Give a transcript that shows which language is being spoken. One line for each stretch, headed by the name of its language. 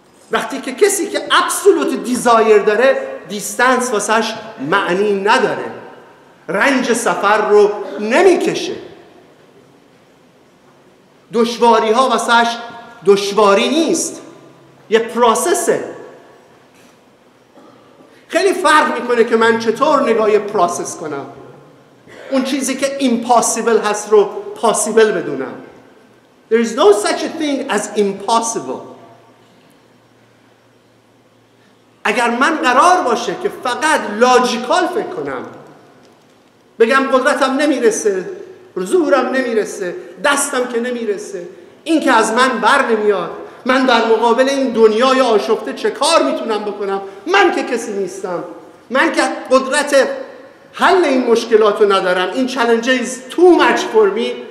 Persian: وقتی که کسی که ابسولوت دیزایر داره، دیستنس واسش معنی نداره، رنج سفر رو نمیکشه، دشواری ها واسش دشواری نیست، یه پروسسه. خیلی فرق میکنه که من چطور نگاه پروسس کنم، اون چیزی که ایمپاسیبل هست رو پاسیبل بدونم.
English: There is no such a thing as impossible.
Persian: اگر من قرار باشه که فقط لاجیکال فکر کنم، بگم قدرتم نمیرسه، زورم نمیرسه، دستم که نمیرسه، این که از من بر نمیاد، من در مقابل این دنیای آشفته چه کار میتونم بکنم، من که کسی نیستم، من که قدرت حل این مشکلات رو ندارم، این
English: challenge is too much for me.